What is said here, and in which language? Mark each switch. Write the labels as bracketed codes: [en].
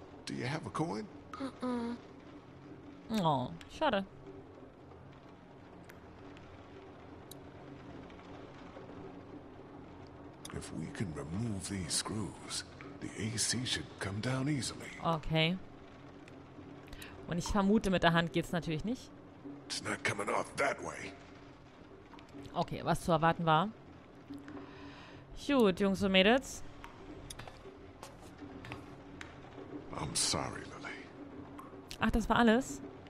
[en] Do you have a coin? [de] Oh, schade. [en] If we can remove these screws, the AC should come down easily. Okay. [de] Und ich vermute, mit der Hand geht's natürlich nicht. [en] It's not coming off that way. [de] Okay, was zu erwarten war. Gut, Jungs und Mädels. [en] I'm sorry, Lily. [de] Ach, das war alles?